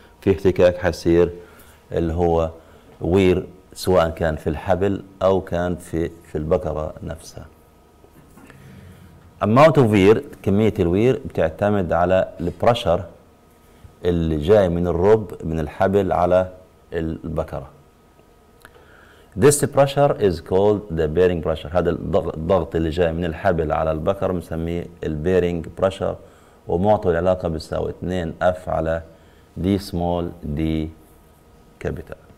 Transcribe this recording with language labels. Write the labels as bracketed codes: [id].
[ar] في احتكاك حيصير اللي هو وير سواء كان في الحبل او كان في البكرة نفسها. [en] amount of wear [ar] كمية الوير بتعتمد على البرشر اللي جاي من الروب من الحبل على البكرة. [en] this pressure is called the bearing pressure. [ar] هذا الضغط اللي جاي من الحبل على البكرة بنسميه البيرينج بريشر. ومعطى العلاقة بيساوي 2 F على D small D capital.